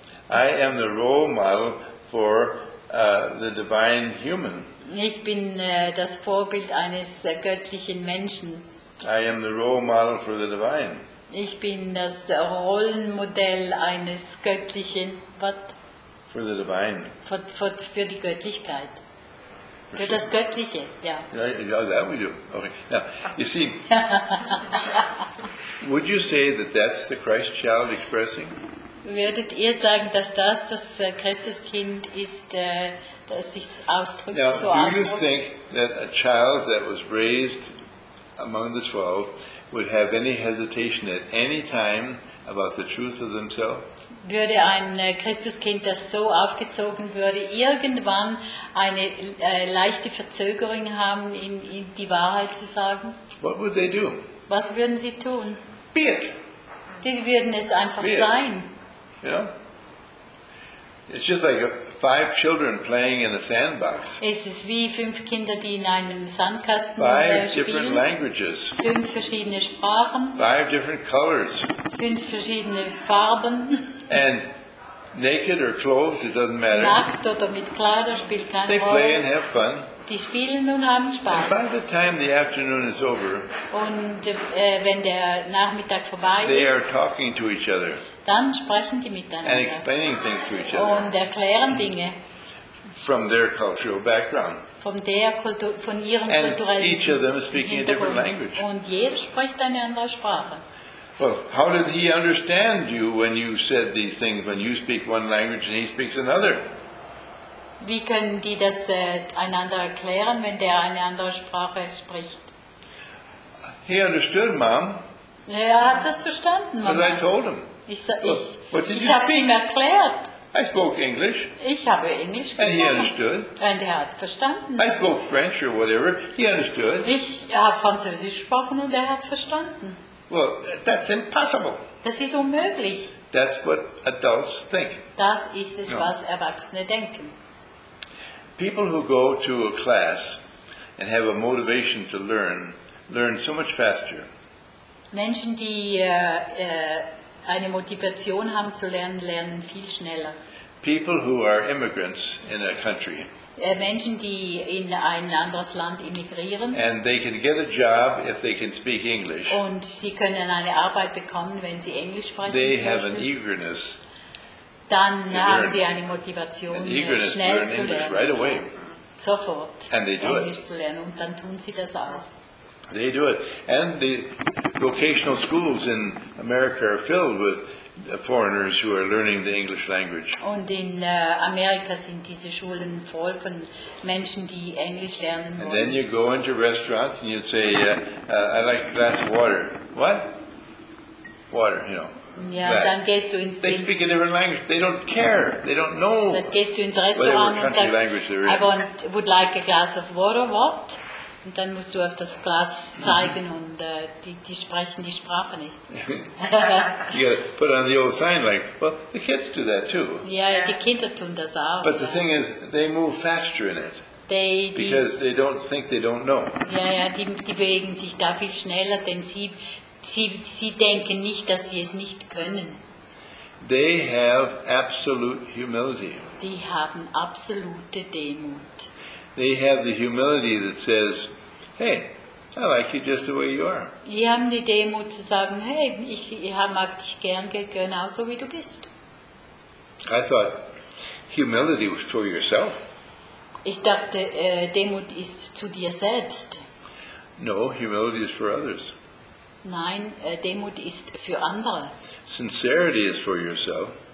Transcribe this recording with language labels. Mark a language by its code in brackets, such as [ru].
[en] I am the role model for the divine human. [de] Ich bin das Vorbild eines göttlichen Menschen. [en] I am the role model for the divine. [de] Ich bin das Rollenmodell eines göttlichen. [en] What? For the divine. [de] Für die Göttlichkeit. Für das Göttliche, ja. [en] Yeah, that we do. Okay. Now, you see, would you say that that's the Christ child expressing? [de] Würdet ihr sagen, dass das Christuskind ist, das sich ausdrückt, [en] now, [de] so ausdrückt? [en] Now, do you think that a child that was raised among the 12 would have any hesitation at any time about the truth of themselves? [de] Würde ein Christuskind, das so aufgezogen würde, irgendwann eine leichte Verzögerung haben, in die Wahrheit zu sagen? [en] What would they do? [de] Was würden sie tun? [en] Be it! [de] Die würden es einfach sein. [en] Yeah. It's just like five children playing in a sandbox. [de] Es ist wie fünf Kinder, die in einem Sandkasten [en] five [de] spielen. [en] Five different languages. [de] Fünf verschiedene Sprachen. [en] Five different colors. [de] Fünf verschiedene Farben. [en] And naked or clothed, it doesn't matter. [de] Nackt oder mit Kleider spielt keine [en] Rolle. They play and have fun. [de] Die spielen und haben Spaß. [en] By the time the afternoon is over, [de] und wenn der Nachmittag vorbei ist, [en] they are talking to each other. [de] Dann sprechen die miteinander. [en] And explaining things to each other. [de] Und erklären Dinge. [en] From their cultural background. [de] Von ihrem kulturellen [en] And each of them is speaking a different language. [de] Und jeder spricht eine andere Sprache. [en] Well, how did he understand you when you said these things, when you speak one language and he speaks another? [de] Wie können die das einander erklären, wenn der eine andere Sprache spricht? [en] He understood, Mom. [de] Er hat das verstanden, Mama. [en] Because I told him. [de] Ich habe es ihm erklärt. [en] I spoke English. [de] Ich habe Englisch gesprochen. [en] And he understood. [de] Und er hat verstanden. [en] I spoke French or whatever. He understood. [de] Ich habe Französisch gesprochen und er hat verstanden. [en] Well, that's impossible. [de] Das ist unmöglich. [en] That's what adults think. [de] Das ist es, was Erwachsene denken. [en] People who go to a class and have a motivation to learn so much faster. [de] Menschen, die eine Motivation haben zu lernen, lernen viel schneller. [en] People who are immigrants in a country. [de] Menschen, die in ein anderes Land immigrieren. [en] And they can get a job if they can speak English. [de] Und sie können eine Arbeit bekommen, wenn sie Englisch sprechen. [en] They have an eagerness. [de] Dann haben sie eine Motivation, schnell zu lernen. [en] Right away. [de] Sofort. [en] And they do [de] Englisch [en] it. [de] Zu lernen. Und dann tun sie das auch. [en] They do it. And the vocational schools in America are filled with foreigners who are learning the English language. [de] Und in Amerika sind diese Schulen voll von Menschen, die Englisch lernen wollen. [en] And then you go into restaurants and you say, I like a glass of water. What? Water, you know. [de] Ja, glass. Dann gehst du ins [en] They speak a different language. They don't care. They don't know. [de] Dann gehst du ins Restaurant und sagst, [en] I would like a glass of water. What? [de] Und dann musst du auf das Glas zeigen und die sprechen die Sprache nicht. [en] You gotta put on the old sign like, well, the kids do that too. [de] Ja, yeah, die Kinder tun das auch. [en] But the thing is, they move faster in it. Because they don't think they don't know. [de] Ja, die bewegen sich da viel schneller, denn sie denken nicht, dass sie es nicht können. [en] They have absolute humility. [de] Die haben absolute Demut. [en] They have the humility that says, "Hey, I like you just the way you are." [de] Die haben die Demut zu sagen, hey, ich mag dich gern genauso wie du bist. [en] I thought humility was for yourself. [de] Ich dachte, Demut ist zu dir selbst. [en] No, humility is for others. [de] Nein, Demut ist für andere. [en] Sincerity is for yourself.